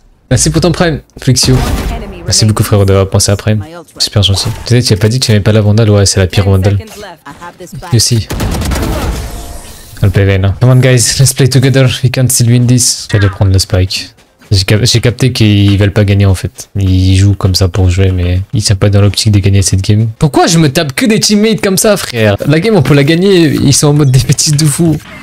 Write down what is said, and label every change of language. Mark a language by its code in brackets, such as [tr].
[fr] Merci pour ton Prime, Flixio. Merci beaucoup, frérot, d'avoir pensé à Prime. Super gentil. Tu sais, tu n'as pas dit que tu n'aimais pas la Vandal? Ouais, c'est la pire Vandal. [en] You see. I'll play Vayne. Come on, guys. Let's play together. We can still win this. [fr] Je vais aller prendre le Spike. J'ai capté qu'ils veulent pas gagner en fait. Ils jouent comme ça pour jouer, mais ils sont pas dans l'optique de gagner cette game. Pourquoi je me tape que des teammates comme ça, frère? La game, on peut la gagner, ils sont en mode des petits de fou.